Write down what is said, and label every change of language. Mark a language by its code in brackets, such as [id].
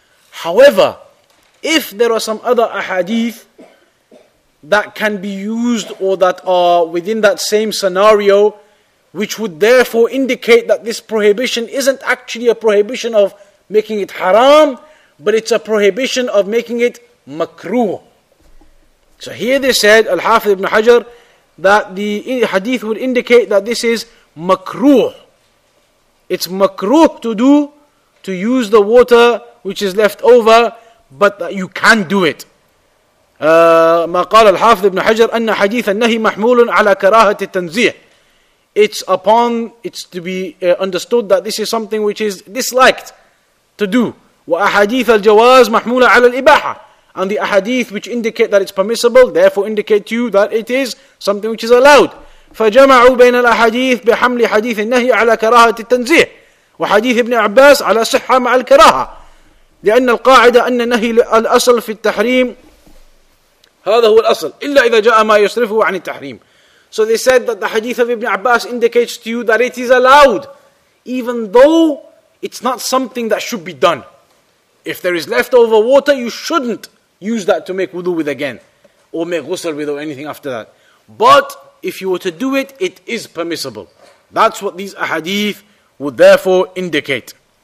[en] However, if there are some other ahadith that can be used, or that are within that same scenario, which would therefore indicate that this prohibition isn't actually a prohibition of making it haram, but it's a prohibition of making it makruh. So here they said, Al-Hafidh ibn Hajar, that the hadith would indicate that this is makruh. It's makruh to use the water which is left over, but that you can do it. [ar] ما قال الحافظ ابن حجر أن حديث النهي محمول على كراهة التنزيع. [en] It's to be understood that this is something which is disliked to do. [ar] وأحاديث الجواز محمولة على الإباحة. [en] And the ahadith which indicate that it's permissible, therefore indicate to you that it is something which is allowed. [ar] فجمعوا بين الأحاديث بحمل حديث النهي على كراهة التنزيع وحديث ابن عباس على صحة مع الكراهة. لأن القاعدة أن النهي الأصل في التحريم. هذا هو الأصل إلا إذا جاء ما يصرفه عن التحريم. [en] So they said that the hadith of Ibn Abbas indicates to you that it is allowed, even though it's not something that should be done. If there is leftover water, you shouldn't use that to make wudu with again, or make ghusl with, or anything after that. But if you were to do it, it is permissible. That's what these ahadith would therefore indicate.